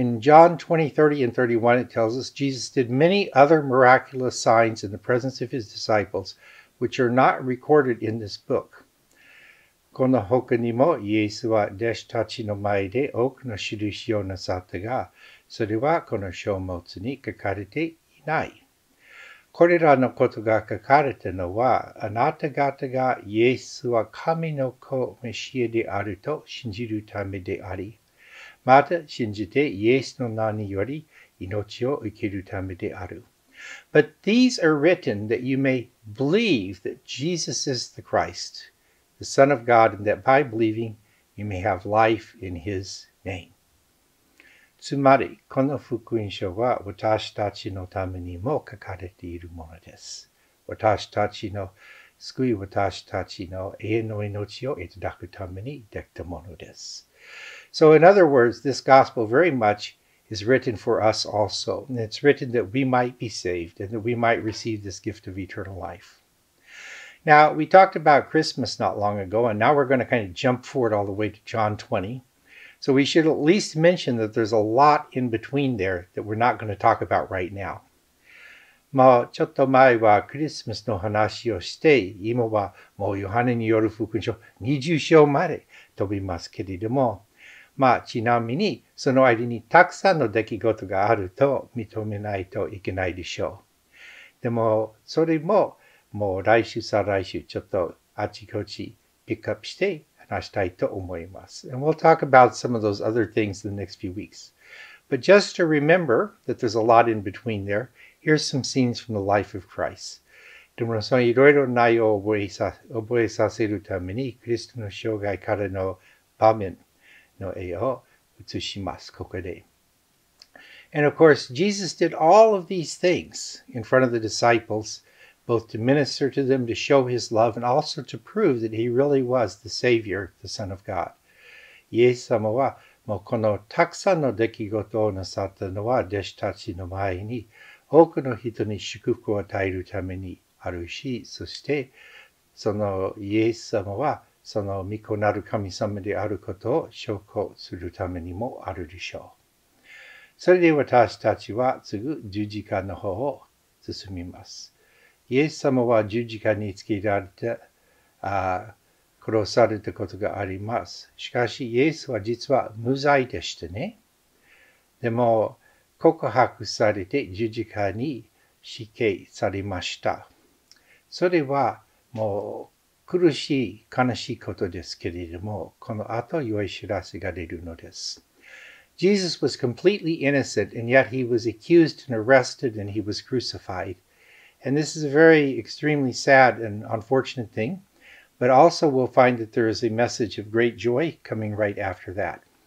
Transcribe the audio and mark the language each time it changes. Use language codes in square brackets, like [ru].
[en] In John 20, 30, and 31, it tells us Jesus did many other miraculous signs in the presence of his disciples, which are not recorded in this book. [ja] この他にもイエスは弟子たちの前で多くの印をなさったが、それはこの書物に書かれていない。これらのことが書かれたのは、あなた方がイエスは神の子、メシアであると信じるためであり、また信じてイエスの名により命を受けるためである。 [en] But these are written that you may believe that Jesus is the Christ, the Son of God, and that by believing you may have life in his name. [ja] つまり、この福音書は私たちのためにも書かれているものです。私たちの救い、私たちの永遠の命をいただくためにできたものです。 [en] So in other words, this gospel very much is written for us also. And it's written that we might be saved and that we might receive this gift of eternal life. Now, we talked about Christmas not long ago, and now we're going to kind of jump forward all the way to John 20. So we should at least mention that there's a lot in between there that we're not going to talk about right now. [ja] まあちょっと前はクリスマスの話をして、今はもうヨハネによる福音書20章まで飛びますけれども、まあ、ちなみに、その間にたくさんの出来事があると認めないといけないでしょう。でも、それも、もう来週再来週、ちょっとあちこちピックアップして話したいと思います。 [en] And we'll talk about some of those other things in the next few weeks. But just to remember that there's a lot in between there, here's some scenes from the life of Christ. [ja] でも、そのいろいろ内容を覚えさせるために、クリストの生涯からの場面、の絵を写します、ここで。 [en] And of course, Jesus did all of these things in front of the disciples, both to minister to them, to show his love, and also to prove that he really was the Savior, the Son of God. [ja] イエス様は、もうこのたくさんの出来事をなさったのは、弟子たちの前に多くの人に祝福を与えるためにあるし、そしてそのイエス様は、その御子なる神様であることを証拠するためにもあるでしょう。それで私たちは次十字架の方を進みます。イエス様は十字架につけられて殺されたことがあります。しかしイエスは実は無罪でしたね。でも告白されて十字架に死刑されました。それはもう苦しい悲しいことですけれども、この後良い知らせが出るのです。 [en] Jesus was completely innocent, and yet he was accused and arrested, and he was crucified. And this is a very extremely sad and unfortunate thing, but also we'll find that there is a message of great joy coming right after that.